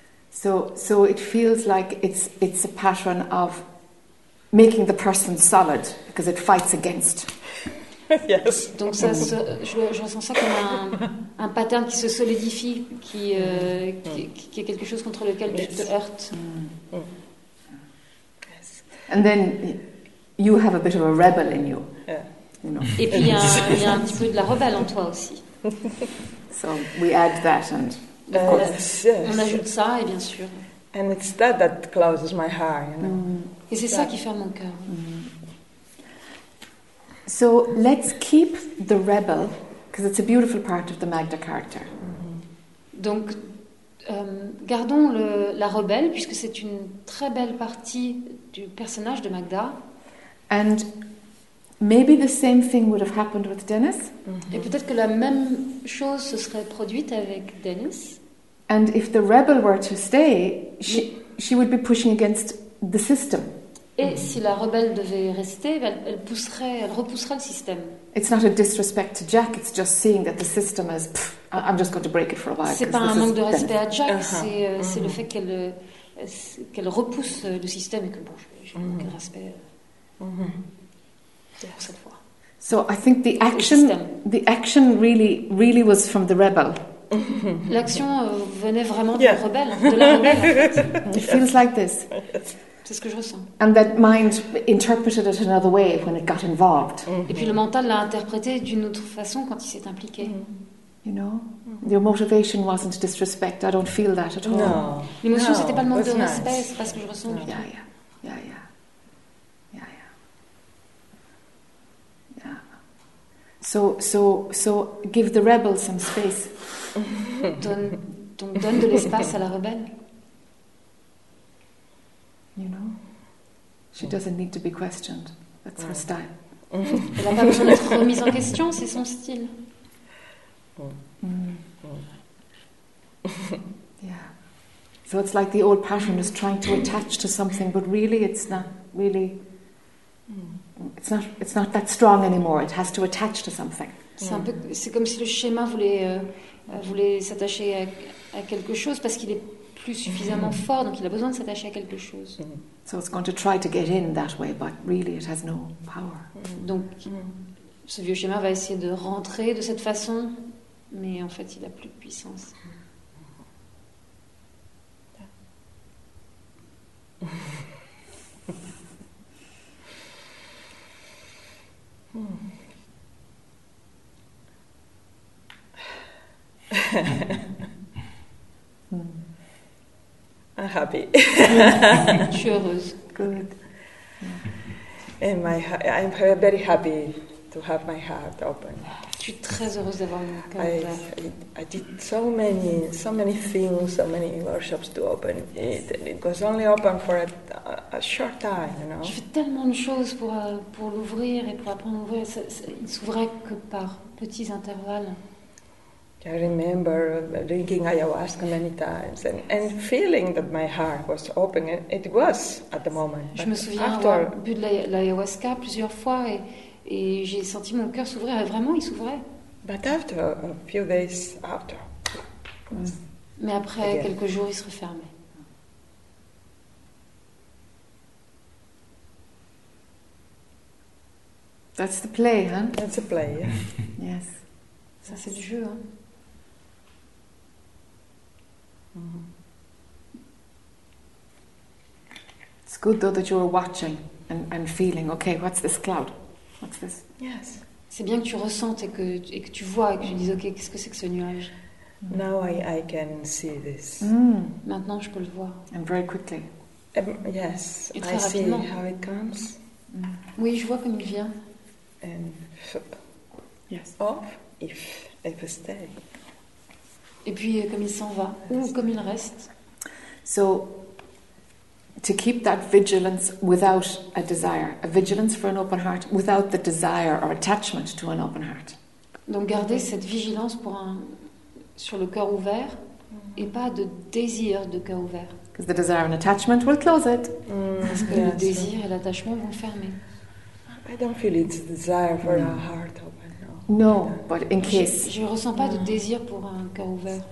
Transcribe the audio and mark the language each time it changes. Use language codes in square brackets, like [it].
[en] So it feels like it's a pattern of making the person solid because it fights against. Yes. [fr] Donc ça, je ressens ça comme un pattern qui se solidifie, qui est quelque chose contre lequel tu te heurtes. Mm. [en] Yes. And then you have a bit of a rebel in you. Yeah. You know. [fr] Et puis il y a un petit peu de la rebelle en toi aussi. [en] So we add that and. [fr] On ajoute ça, et bien sûr. [en] And it's that closes my heart, you know. Mm. [fr] Et c'est ça qui ferme mon cœur. Mm. [en] So let's keep the rebel, because it's a beautiful part of the Magda character. Mm-hmm. [fr] Donc, gardons la rebelle, puisque c'est une très belle partie du personnage de Magda. [en] And maybe the same thing would have happened with Dennis. Mm-hmm. [fr] Et peut-être que la même chose se serait produite avec Dennis. [en] And if the rebel were to stay, she would be pushing against the system. [fr] Et si la rebelle devait rester, elle repousserait le système. [en] It's not a disrespect to Jack, it's just seeing that the system is, I'm just going to break it for a while. [fr] C'est pas un manque de respect à Jack, c'est le fait qu'elle repousse le système et que bon, j'ai manqué de respect pour cette fois. [en] So I think the action really, really was from the rebel. [fr] L'action venait vraiment de la rebelle. En fait. [en] It feels like this. [fr] C'est ce que je ressens. [en] And that mind interpreted it another way when it got involved. Mm-hmm. [fr] Et puis le mental l'a interprété d'une autre façon quand il s'est impliqué. [en] You know, your motivation wasn't disrespect. I don't feel that at all. No. [fr] L'émotion, [en] no, [fr] c'était pas le manque de respect, nice. C'est pas ce que je ressens. [en] Yeah, yeah, yeah, yeah, yeah, yeah, yeah. So give the rebel some space. [fr] donne de l'espace à la rebelle. [en] You know, she doesn't need to be questioned. That's her style. [fr] Elle n'a pas besoin d'être remise en question, c'est son style. [en] Yeah. So it's like the old pattern is trying to attach to something, but really, it's not really. It's not that strong anymore. It has to attach to something. [fr] C'est comme si le schéma voulait s'attacher à quelque chose parce qu'il est plus suffisamment fort, donc il a besoin de s'attacher à quelque chose. [en] So it's going to try to get in that way, but really it has no power. [fr] Donc ce vieux schéma va essayer de rentrer de cette façon, mais en fait il a plus de puissance. [en] I'm happy. [fr] Je suis heureuse. [en] Good. And I'm very happy to have my heart open. [fr] Je suis très heureuse d'avoir mon cœur ouvert. [en] I did so many things, so many workshops to open it, and it was only open for a short time, you know. [fr] Je fais tellement de choses pour l'ouvrir et pour apprendre à l'ouvrir. Il s'ouvrait que par petits intervalles. [en] I remember drinking ayahuasca many times and feeling that my heart was open. It was at the moment. [fr] Je me souviens avoir bu de l'ayahuasca plusieurs fois et j'ai senti mon cœur s'ouvrir. Vraiment, il s'ouvrait. [en] But after a few days after. [fr] Mais après quelques jours, il se refermait. [en] That's the play, huh? That's the play. Yeah. Yes. [fr] Ça c'est du jeu, hein? [en] It's good though that you're watching and feeling. Okay, what's this cloud? What's this? Yes. [fr] C'est bien que tu ressentes et que tu vois et que tu dises okay, qu'est-ce que c'est que ce nuage? [en] Now I can see this. [fr] Maintenant je peux le voir. [en] And very quickly. Yes. [fr] Et très rapidement. [en] I see how it comes. [fr] Oui, je vois comme il vient. [en] And yes. Off if it stays. [fr] Et puis comme il s'en va ou comme il reste. [en] So to keep that vigilance without a desire, a vigilance for an open heart without the desire or attachment to an open heart. [fr] Donc garder cette vigilance sur le cœur ouvert et pas de désir de cœur ouvert. [en] Because the desire and attachment will close it. [fr] Parce que le désir et l'attachement vont fermer. [en] I don't feel it's a desire for a heart open. No, but in case. [fr] Je ne ressens pas de désir pour un cœur ouvert.